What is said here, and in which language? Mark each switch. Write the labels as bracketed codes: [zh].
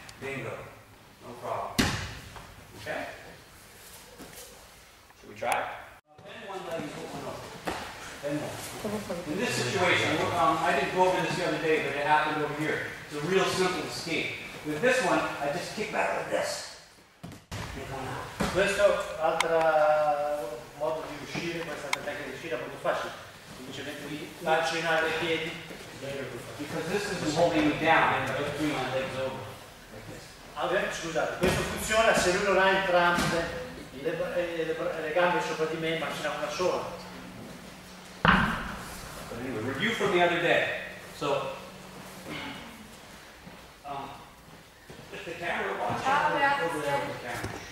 [en] Bingo. No problem. Okay? Should we try? Then one leg is open up. Then one. In this situation, I didn't go over this the other day, but it happened over here. It's a real simple escape. With this one, I just kick back like this. [it] Questo altro modo di uscire, questa tecnica di uscire è molto facile. Semplicemente di accennare i piedi. [en] Because this is holding me down and I'm putting my legs over. Like this. [it] Okay, scusate, questo funziona se lui non ha entrambe le gambe sopra di me, ma ce n'ha una sola. [en] But anyway, review from the other day. So, the camera, watch out. Over there with the camera.